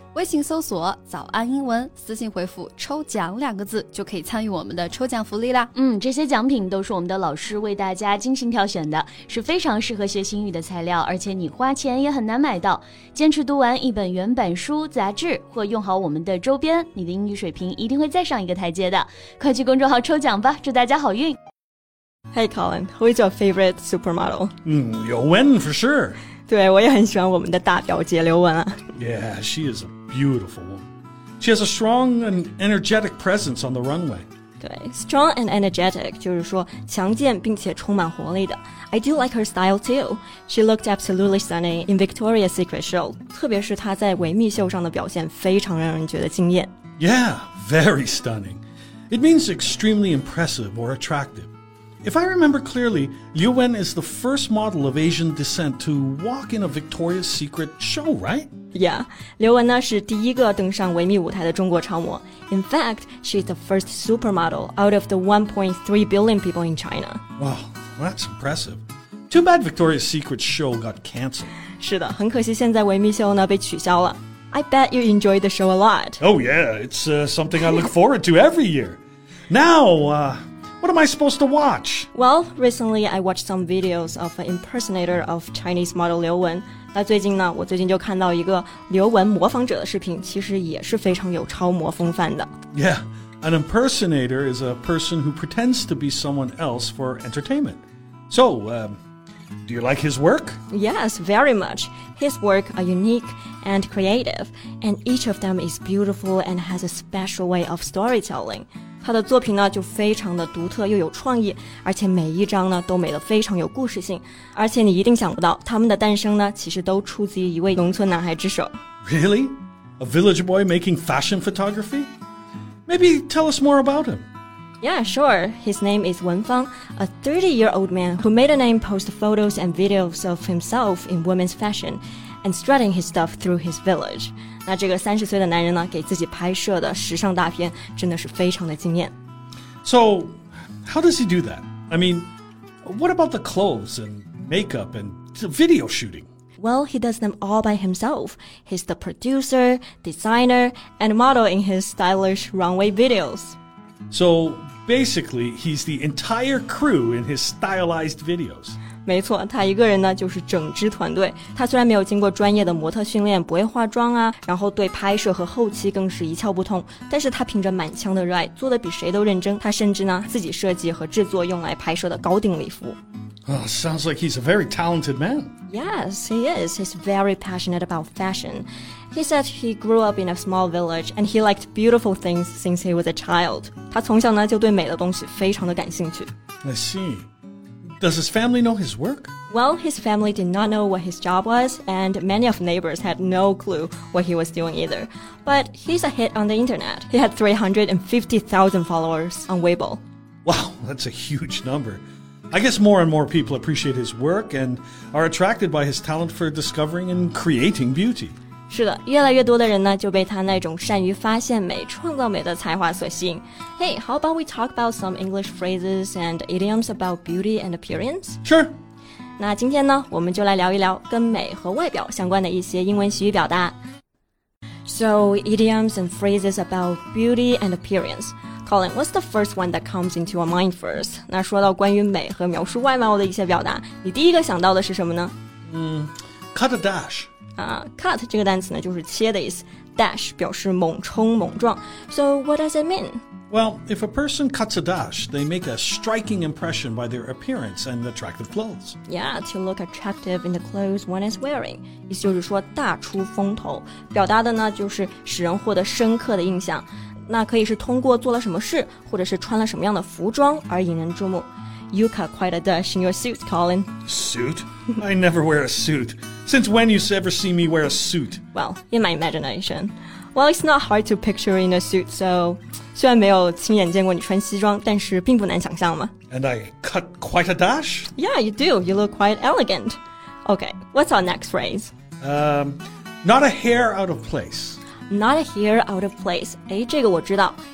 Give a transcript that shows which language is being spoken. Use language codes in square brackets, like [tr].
[zh] 微信搜索早安英文，私信回复抽奖两个字，就可以参与我们的抽奖福利啦。嗯，这些奖品都是我们的老师为大家精心挑选的，是非常适合学习英语的材料，而且你花钱也很难买到。坚持读完一本原版书、杂志或用好我们的周边，你的英语水平一定会再上一个台阶的。快去公众号抽奖吧，祝大家好运。 [en] Hey Colin, who is your favorite supermodel? You're winning for sure. [zh] 对，我也很喜欢我们的大表姐刘雯啊。 [en] Yeah, she is a beautiful woman. She has a strong and energetic presence on the runway. [zh] 对 , [en] strong and energetic, [zh] 就是说强健并且充满活力的。 [en] I do like her style too. She looked absolutely stunning in Victoria's Secret Show. [zh] 特别是她在维密秀上的表现非常让人觉得惊艳。 [en] Yeah, very stunning. It means extremely impressive or attractive. If I remember clearly, Liu Wen is the first model of Asian descent to walk in a Victoria's Secret show, right? [zh] Yeah, Liu Wen 呢是第一个登上维密舞台的中国超模。 [en] In fact, she's the first supermodel out of the 1.3 billion people in China. Wow, that's impressive. Too bad Victoria's Secret show got canceled. [zh] 是的，很可惜现在维密秀呢被取消了。 [en] I bet you enjoy the show a lot. Oh yeah, it's something I look forward to every year. Now, What am I supposed to watch? Well, recently I watched some videos of an impersonator of Chinese model Liu Wen. [zh] 那最近呢，我最近就看到一个刘雯模仿者的视频，其实也是非常有超模风范的。 [en] Yeah, an impersonator is a person who pretends to be someone else for entertainment. So, do you like his work? Yes, very much. His work are unique and creative, and each of them is beautiful and has a special way of storytelling. [zh] 他的作品呢就非常的独特又有创意，而且每一张呢都美得非常有故事性，而且你一定想不到他们的诞生呢其实都出自于一位农村男孩之手。 [en] Really? A village boy making fashion photography? Maybe tell us more about him. Yeah, sure. His name is Wen Fang, a 30-year-old man who made a name post photos and videos of himself in women's fashion and strutting his stuff through his village. 那这个30岁的男人呢给自己拍摄的时尚大片真的是非常的惊艳。 So, how does he do that? I mean, what about the clothes and makeup and video shooting? Well, he does them all by himself. He's the producer, designer, and model in his stylish runway videos. So, basically, he's the entire crew in his stylized videos. [zh] 没错，他一个人呢就是整支团队。他虽然没有经过专业的模特训练，不会化妆啊，然后对拍摄和后期更是一窍不通，但是他凭着满腔的热爱做得比谁都认真。他甚至呢自己设计和制作用来拍摄的高定礼服。 [en] Oh, sounds like he's a very talented man. Yes, he is. He's very passionate about fashion. He said he grew up in a small village and he liked beautiful things since he was a child. [zh] 他从小呢就对美的东西非常的感兴趣。 [en] I seeDoes his family know his work? Well, his family did not know what his job was, and many of neighbors had no clue what he was doing either. But he's a hit on the internet. He had 350,000 followers on Weibo. Wow, that's a huge number. I guess more and more people appreciate his work and are attracted by his talent for discovering and creating beauty. [zh] 是的，越来越多的人呢就被他那种善于发现美、创造美的才华所吸引。 [en] Hey, how about we talk about some English phrases and idioms about beauty and appearance? Sure. [zh] 那今天呢，我们就来聊一聊跟美和外表相关的一些英文习语表达。 [en] So, idioms and phrases about beauty and appearance. Colin, what's the first one that comes into your mind first? [zh] 那说到关于美和描述外貌的一些表达，你第一个想到的是什么呢？ [en] Cut a dash. [zh] Cut 这个单词呢就是切的意思 Dash 表示猛冲猛撞 [en] So what does it mean? Well, if a person cuts a dash They make a striking impression by their appearance and attractive clothes Yeah, to look attractive in the clothes one is wearing [zh] 意思就是说大出风头表达的呢就是使人获得深刻的印象那可以是通过做了什么事或者是穿了什么样的服装而引人注目 [en] You cut quite a dash in your suit, Colin Suit? I never wear a suit Since when you ever see me wear a suit? Well, in my imagination. Well, it's not hard to picture in a suit, so... [zh] 虽然没有亲眼见过你穿西装,但是并不难想象嘛。 [en] And I cut quite a dash? Yeah, you do. You look quite elegant. Okay, what's our next phrase? Not a hair out of place. Not a hair out of place. [zh] 诶,这个我知道。